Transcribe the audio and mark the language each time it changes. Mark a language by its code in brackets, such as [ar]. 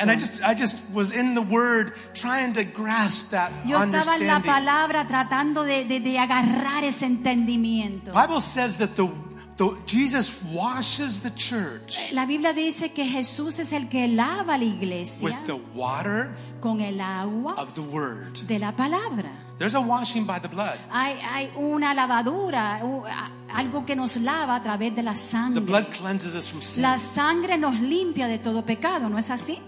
[en] And I just was in the Word trying to grasp that [es] understanding. Yo estaba en la palabra tratando de agarrar ese entendimiento. [en] The Bible says that the Jesus washes the church. [es] La Biblia dice que Jesús es el que lava la iglesia. [en] With the water. [es] Con el agua. [en] Of the Word. [es] De la palabra. [en] There's a washing by the blood. [es] Hay una lavadura, algo que nos lava a través de la sangre. [en] The blood cleanses us from sin. [es] La sangre nos limpia de todo pecado, ¿no es así?